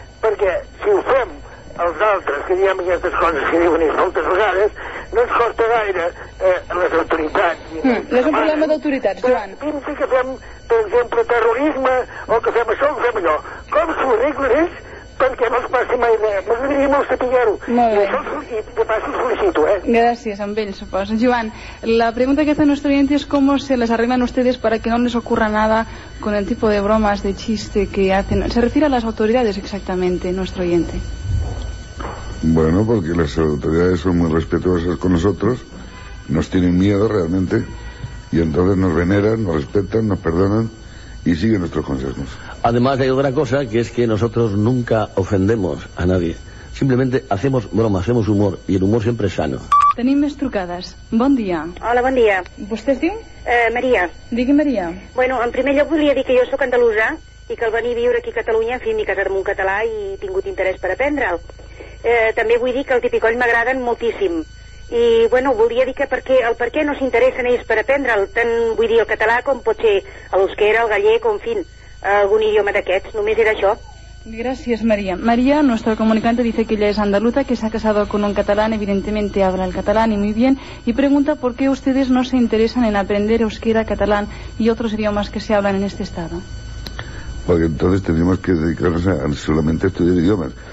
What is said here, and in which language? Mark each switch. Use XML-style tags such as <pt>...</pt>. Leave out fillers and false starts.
<ca>Perquè si ho fem els altres, que diem aquestes coses que diuen ells moltes vegades, no ens costa gaire les autoritats. No és un problema d'autoritats, Joan. Pensi que fem, per exemple, terrorisme, o que fem això, o que fem allò. Com s'ho arregla ells perquè no es passi mai res? M'agradaria molt saber-ho. Molt bé. I això, i de pas, us felicito, Gràcies, amb ell, suposo.</ca> <es>Joan,</es> <ca>la pregunta que fa el nostre oyente és</ca> <es>com se les arreglen ustedes para que no les ocurra nada con el tipo de bromas, de chiste que hacen. Se refiere a las autoridades exactamente, nuestro oyente. Bueno, porque las autoridades son muy respetuosas con nosotros, nos tienen miedo realmente, y entonces nos veneran, nos respetan, nos perdonan y siguen nuestros consejos. Además hay otra cosa, que es que nosotros nunca ofendemos a nadie. Simplemente hacemos broma, hacemos humor, y el humor siempre es sano.</es> <ca>Tenim més trucades. Bon dia. Hola, bon dia. Vostè es diu? Maria. Digui Maria. Bueno, en primer lloc volia dir que jo sóc andalusa i que al venir a viure aquí a Catalunya, en fi, m'he casat amb un català i he tingut interès per aprendre'l. També vull dir que el Tipi Coll m'agraden moltíssim. I, bueno, volia dir que per què no s'interessen ells per aprendre'l, tant vull dir el català com pot ser l'euskera, el gallec, o,</ca> <es>en fin,</es> <ca>algun idioma d'aquests. Només era això. Gràcies, Maria.</ca> <es>Maria, nuestra comunicante, dice que ella es andaluza, que se ha casado con un catalán, evidentemente habla el catalán y muy bien, y pregunta por qué ustedes no se interesan en aprender euskera, catalán y otros idiomas que se hablan en este estado. Porque entonces tenemos que dedicarnos a solamente a estudiar idiomas.</es>